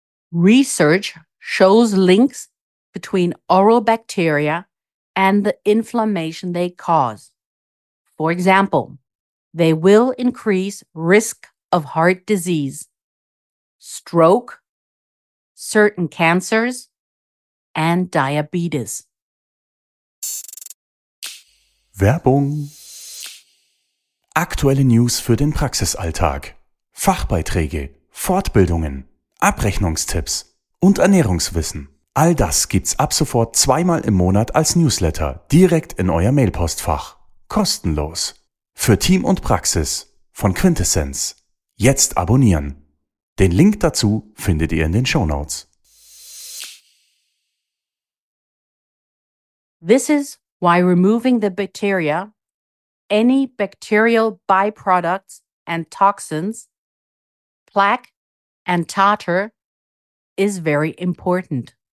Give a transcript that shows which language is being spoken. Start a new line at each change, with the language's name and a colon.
English: Research shows links between oral bacteria and the inflammation they cause. For example, they will increase risk of heart disease, stroke, certain cancers, and diabetes.
German: Werbung. Aktuelle News für den Praxisalltag. Fachbeiträge, Fortbildungen, Abrechnungstipps und Ernährungswissen. All das gibt's ab sofort zweimal im Monat als Newsletter direkt in euer Mailpostfach. Kostenlos. Für Team und Praxis von Quintessenz. Jetzt abonnieren. Den Link dazu findet ihr in den Shownotes.
English: This is why removing the bacteria, any bacterial byproducts and toxins, plaque and tartar is very important.